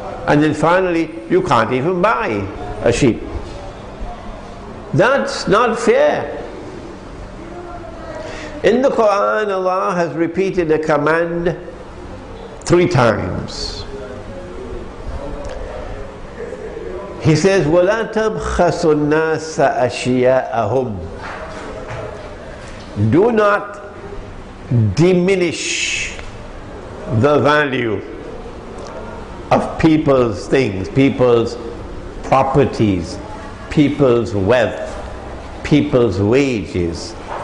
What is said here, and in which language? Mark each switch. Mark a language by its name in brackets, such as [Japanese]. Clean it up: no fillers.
[English] And then finally, you can't even buy a sheep. That's not fair. In the Quran, Allah has repeated a command 3 times. He says, [Arabic] وَلَا تَبْخَسُ النَّاسَ أَشْيَاءَهُمْ. [English] Do not diminish the value of people's things, people's properties, people's wealth, people's wages.